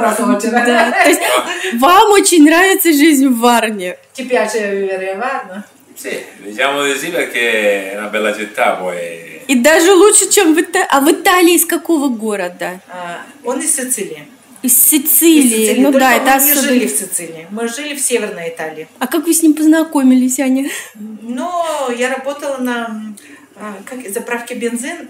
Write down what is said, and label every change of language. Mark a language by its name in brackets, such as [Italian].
[Russian] Да, то есть вам очень нравится жизнь в Варне? [Italian] Ti piace vivere a Varna? Sì, diciamo di sì perché è una bella città, poi... [Russian] И даже лучше, чем в Италии. А в Италии из какого города? Он из Сицилии. Из Сицилии, ну да, это особо... Мы не жили в Сицилии, мы жили в Северной Италии. А как вы с ним познакомились, Аня? Ну, я работала на заправке бензина.